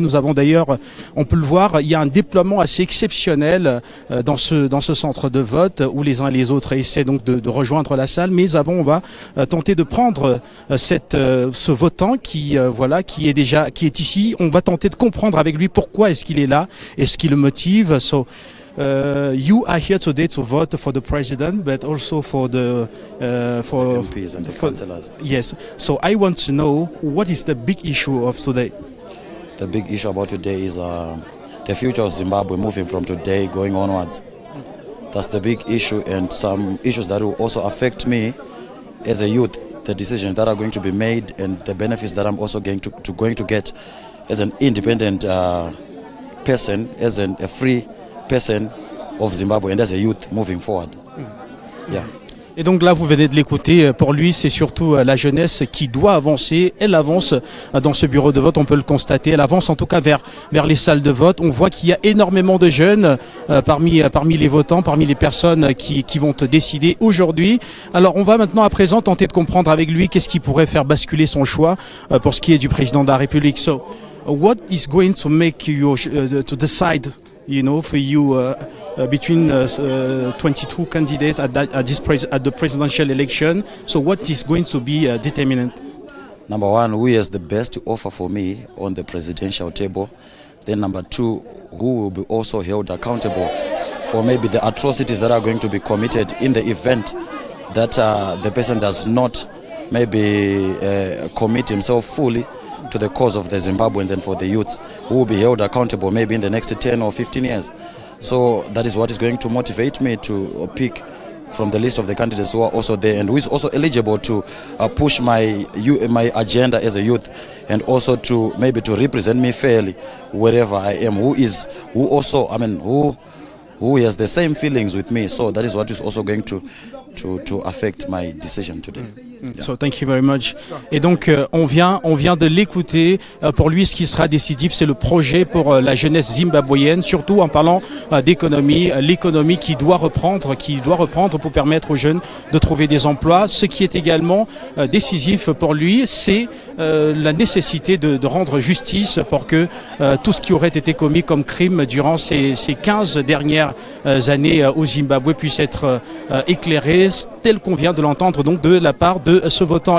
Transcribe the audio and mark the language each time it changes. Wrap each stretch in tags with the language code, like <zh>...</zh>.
<fr>Nous avons d'ailleurs, on peut le voir, il y a un déploiement assez exceptionnel dans ce centre de vote où les uns et les autres essaient donc de rejoindre la salle. Mais avant, on va tenter de prendre ce votant qui est ici. On va tenter de comprendre avec lui pourquoi est-ce qu'il est là et ce qui le motive.</fr> <en>So you are here today to vote for the president, but also for the MPs and the councillors. Yes. So I want to know what is the big issue of today. The big issue about today is the future of Zimbabwe moving from today going onwards. That's the big issue, and some issues that will also affect me as a youth. The decisions that are going to be made and the benefits that I'm also going to get as an independent person, as a free person of Zimbabwe and as a youth moving forward. Yeah.</en> <fr>Et donc là, vous venez de l'écouter, pour lui, c'est surtout la jeunesse qui doit avancer. Elle avance dans ce bureau de vote, on peut le constater. Elle avance en tout cas vers les salles de vote. On voit qu'il y a énormément de jeunes parmi les votants, parmi les personnes qui vont décider aujourd'hui. Alors on va maintenant à présent tenter de comprendre avec lui qu'est-ce qui pourrait faire basculer son choix pour ce qui est du président de la République.</fr> <en>So, what is going to make you to decide, you know, for you between 22 candidates at the presidential election? So what is going to be determinant? Number one, who has the best to offer for me on the presidential table? Then number two, who will be also held accountable for maybe the atrocities that are going to be committed in the event that the person does not maybe commit himself fully to the cause of the Zimbabweans and for the youths, who will be held accountable maybe in the next 10 or 15 years. So that is what is going to motivate me to pick from the list of the candidates who are also there and who is also eligible to push my agenda as a youth, and also to maybe to represent me fairly wherever I am, who has the same feelings with me. So that is what is also going to affect my decision today. So thank you very much.</en> <fr>Et donc on vient de l'écouter. Pour lui, ce qui sera décisif, c'est le projet pour la jeunesse zimbabwéenne, surtout en parlant d'économie, l'économie qui doit reprendre pour permettre aux jeunes de trouver des emplois. Ce qui est également décisif pour lui, c'est la nécessité de rendre justice pour que tout ce qui aurait été commis comme crime durant ces 15 dernières années au Zimbabwe puisse être éclairé, tel qu'on vient de l'entendre donc de la part de ce votant.</fr>